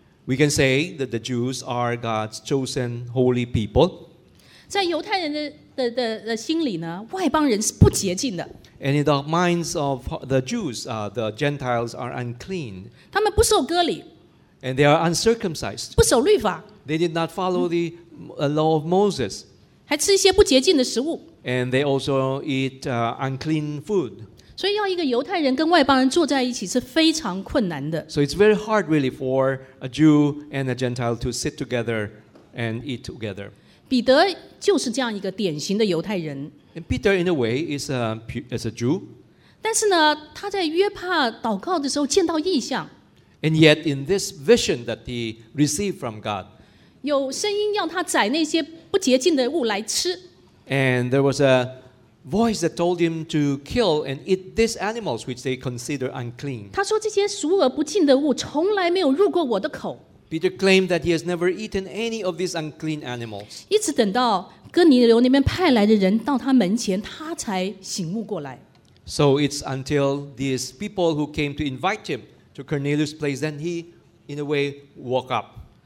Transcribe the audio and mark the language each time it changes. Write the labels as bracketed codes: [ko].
[en] We can say that the Jews are God's chosen holy people. [zh] 在犹太人的心里呢，外邦人是不洁净的。 [en] And in the minds of the Jews, the Gentiles are unclean. [zh] 他们不受割礼。 [en] And they are uncircumcised. [zh] 不守律法。 [en] They did not follow the law of Moses. [zh] 还吃一些不洁净的食物。 [en] And they also eat unclean food. [zh] 所以要一个犹太人跟外邦人坐在一起是非常困难的。 [en] So it's very hard really for a Jew and a Gentile to sit together and eat together. [zh] 彼得就是这样一个典型的犹太人。 [en] And Peter in a way is a Jew. [zh] 但是呢，他在约帕祷告的时候见到异象。 [en] And yet in this vision that he received from God, [zh] 有声音要他宰那些不洁净的物来吃。 [en] And there was a voice that told him to kill and eat these animals which they consider unclean. [zh] 他说这些俗而不净的物从来没有入过我的口。 [en] Peter claimed that he has never eaten any of these unclean animals. [zh] 一直等到哥尼流那边派来的人到他门前，他才醒悟过来。 [en] So it's until these people who came to invite him to Cornelius' place, then he, in a way, woke up.